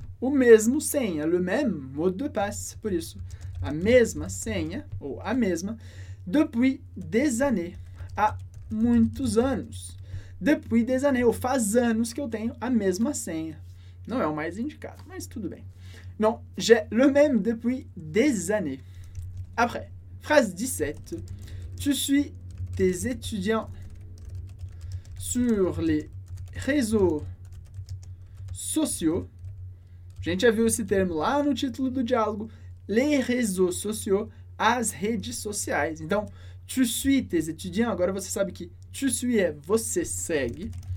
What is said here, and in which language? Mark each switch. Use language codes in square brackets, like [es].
[pt] O mesmo senha, [fr] le même mot de passe, [pt] por isso, a mesma senha, ou a mesma, [fr] depuis des années, [pt] há muitos anos. [fr] Depuis des années, [pt] ou faz anos que eu tenho a mesma senha. Não é o mais indicado, mas tudo bem. [fr] Non, j'ai le même depuis des années. Après, phrase 17. Tu suis tes étudiants sur les réseaux sociaux. [pt] A gente já viu esse termo lá no título do diálogo. [fr] Les réseaux sociaux, [pt] as redes sociais. [fr] Então, tu suis tes étudiants. [pt] Agora você sabe que tu suis é você segue.